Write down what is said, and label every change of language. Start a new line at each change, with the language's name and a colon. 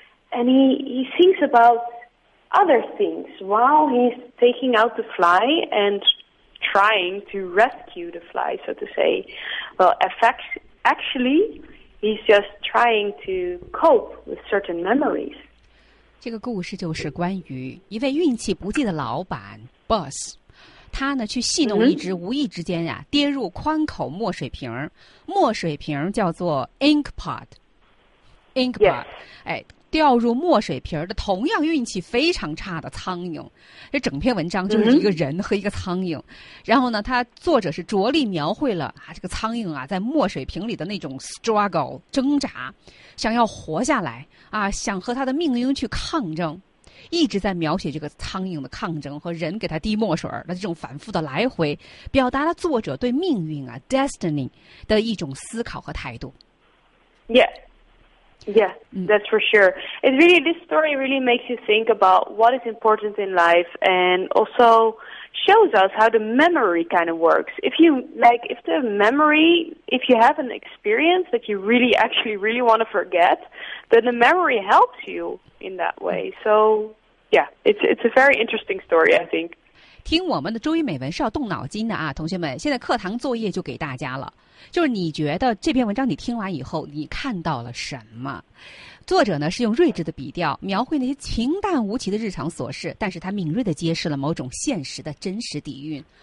English: And he thinks about other things while he's taking out the fly and trying to rescue the fly, so to say. Well, actually, he's just trying to cope with certain memories.
Chinese: 这个故事就是关于一位运气不济的老板 Boss, 他呢去戏弄一只无意之间呀、跌入宽口墨水瓶，墨水瓶叫做 Ink Pot、
English: yes.
Chinese: 哎，掉入墨水瓶的同样运气非常差的苍蝇。这整篇文章就是一个人和一个苍蝇、然后呢他作者是着力描绘了啊这个苍蝇啊在墨水瓶里的那种 struggle 挣扎，想要活下来啊，想和他的命运去抗争，一直在描写这个苍蝇的抗争和人给他滴墨水的这种反复的来回，表达了作者对命运啊 destiny 的一种思考和态度。
English: Yeah, that's for sure. It really, this story really makes you think about what is important in life and also shows us how the memory kind of works. If you, like, if the memory, if you have an experience that you really, actually really want to forget, then the memory helps you in that way. So, yeah, it's a very interesting story, I think.
Chinese: 听我们的周一美文是要动脑筋的啊，同学们，现在课堂作业就给大家了。就是你觉得这篇文章你听完以后你看到了什么？作者呢是用睿智的笔调描绘那些平淡无奇的日常琐事，但是他敏锐地揭示了某种现实的真实底蕴。